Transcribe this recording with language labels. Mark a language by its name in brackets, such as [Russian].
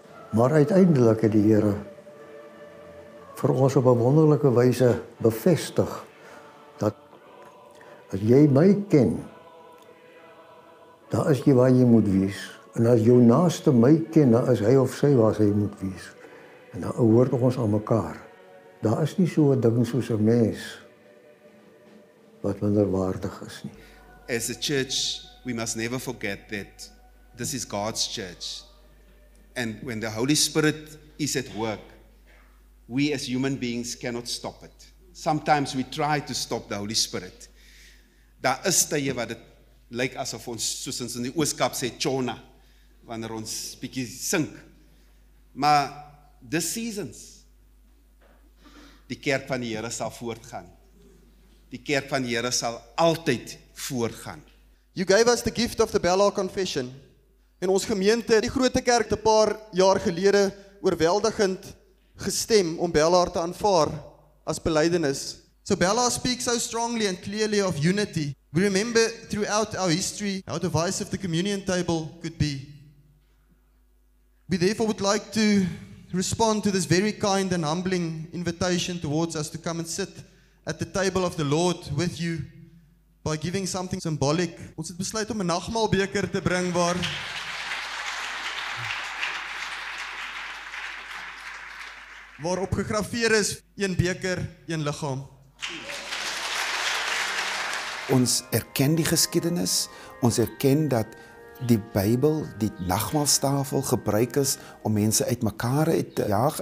[Afrikaans] Maar uiteindelik het die Here vir ons op 'n wonderlike wyse bevestig dat as jy my ken, daar is jy waar jy moet wees. En as jou naaste my ken, dan is hy of sy waar sy moet wees. En dan hoor ons aan mekaar. Daar is nie so 'n ding soos 'n mens wat minderwaardig is nie. [English] As a church, we must never forget that this is God's church. And when the Holy Spirit is at work, we as human beings cannot stop it. Sometimes we try to stop the Holy Spirit. [Afrikaans] Daar is tye wat dit lyk asof ons soos ons in die Ooskaap sê chona, wanneer ons bietjie sink. Maar [English] this seasons, [Afrikaans] die kerk van die Here sal voortgaan. Die kerk van die Here sal altyd voortgaan. [English] You gave us the gift of the Belhar Confession. [Afrikaans] En ons gemeente, die Groote Kerk, het 'n paar jaar gelede oorweldigend gestem om Belhar te aanvaar as belydenis. [English] So Belhar speaks so strongly and clearly of unity. We remember throughout our history how divisive the communion table could be. We therefore would like to respond to this very kind and humbling invitation towards us to come and sit at the table of the Lord with you by giving something symbolic. [Afrikaans] Ons het besluit om 'n nagmaalbeker te bring waar waarop gegraveer is een beker, een liggaam. Ons erken die geskiedenis, ons erken dat die Bybel, die nagmaalstafel gebruik is om mense uitmekaar uit te jaag.